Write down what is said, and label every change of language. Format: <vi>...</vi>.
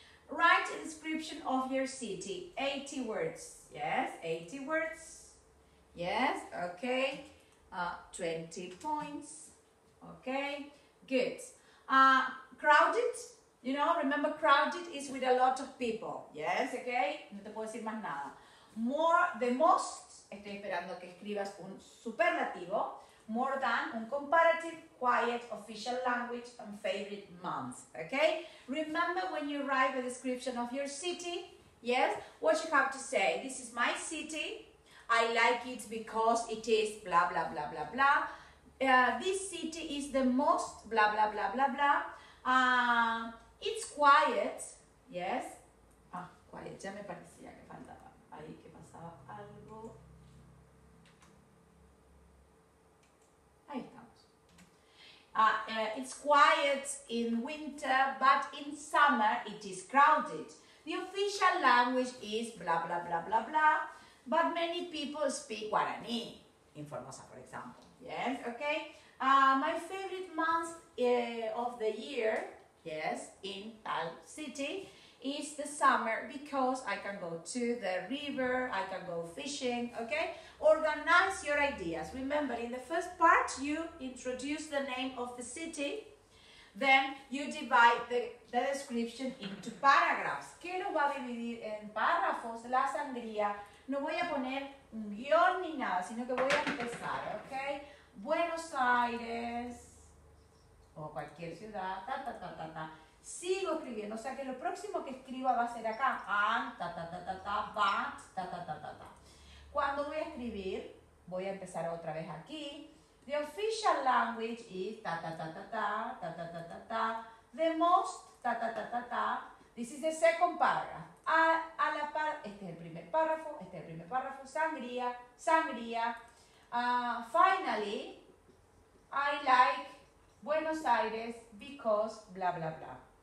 <en>Write a description of your city. 80 words. Yes, 80 words. Yes, okay. 20 points. Okay, good. Crowded, you know, remember crowded is with a lot of people. Yes, okay,</en> <es>no te puedo decir más nada.</es> <en>More, the most,</en> <es>estoy esperando que escribas un superlativo.</es> <en>More than, un comparative, quiet, official language, and favorite month. Okay, remember when you write the description of your city, yes, what you have to say, this is my city, I like it because it is blah, blah, blah, blah, blah. This city is the most blah, blah, blah, blah, blah. It's quiet, yes.</en> <es>Ah, quiet, ya me parecía que faltaba ahí que pasaba algo. Ahí estamos.</es> <en>It's quiet in winter, but in summer it is crowded. The official language is blah, blah, blah, blah, blah, but many people speak Guarani in Formosa, for example. Yes, okay. My favorite month of the year, yes, in Tal City, is the summer because I can go to the river, I can go fishing, okay? Organize your ideas. Remember, in the first part, you introduce the name of the city, then you divide the description into paragraphs.</en> <es>¿Qué lo va a dividir en párrafos? La sangría. No voy a poner un guión ni nada, sino que voy a empezar, okay? Buenos Aires, o cualquier ciudad, ta, ta, ta, ta, ta. Sigo escribiendo, o sea que lo próximo que escriba va a ser acá. And, ta, ta, ta, ta, ta, but, ta, ta, ta, ta, ta. Cuando voy a escribir, voy a empezar otra vez aquí.</es> <en>The official language is, ta, ta, ta, ta, ta, ta, ta, ta, ta, ta. The most, ta, ta, ta, ta, ta. This is the second paragraph.</en> <es>A la par, este es el primer párrafo, este es el primer párrafo. Sangría, sangría.</es> <en>Finally, I like Buenos Aires because blah, blah, blah.</en>